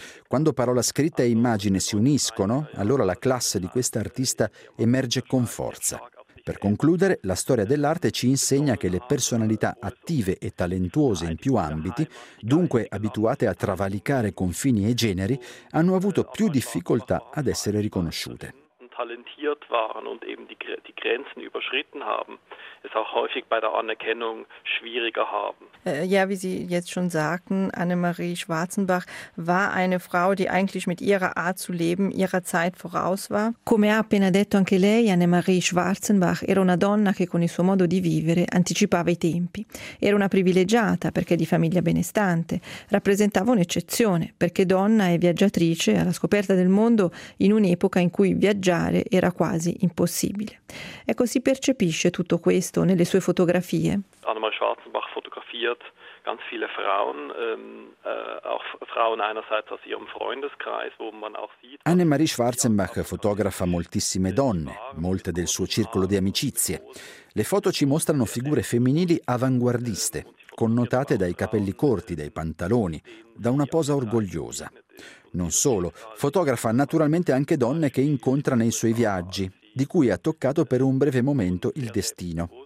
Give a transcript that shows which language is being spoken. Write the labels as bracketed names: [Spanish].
[Italian] Quando parola scritta e immagine si uniscono, allora la classe di quest'artista emerge con forza. Per concludere, la storia dell'arte ci insegna che le personalità attive e talentuose in più ambiti, dunque abituate a travalicare confini e generi, hanno avuto più difficoltà ad essere riconosciute. [German] Talentiert waren und eben die Grenzen überschritten haben, es auch häufig bei der Anerkennung schwieriger haben. Ja, wie Sie jetzt schon sagten, Anne-Marie Schwarzenbach war eine Frau, die eigentlich mit ihrer Art zu leben ihrer Zeit voraus war. [Italian] Come ha appena detto anche lei, Anne-Marie Schwarzenbach era una donna che con il suo modo di vivere anticipava i tempi. Era una privilegiata perché di famiglia benestante, rappresentava un'eccezione perché donna e viaggiatrice alla scoperta del mondo in un'epoca in cui viaggiare era quasi impossibile. Ecco, si percepisce tutto questo nelle sue fotografie? [German] Anne-Marie Schwarzenbach fotografiert ganz viele Frauen, auch Frauen einerseits aus ihrem Freundeskreis, wo man auch sieht. [Italian] Anne-Marie Schwarzenbach fotografa moltissime donne, molte del suo circolo di amicizie. Le foto ci mostrano figure femminili avanguardiste, connotate dai capelli corti, dai pantaloni, da una posa orgogliosa. Non solo, fotografa naturalmente anche donne che incontra nei suoi viaggi, di cui ha toccato per un breve momento il destino.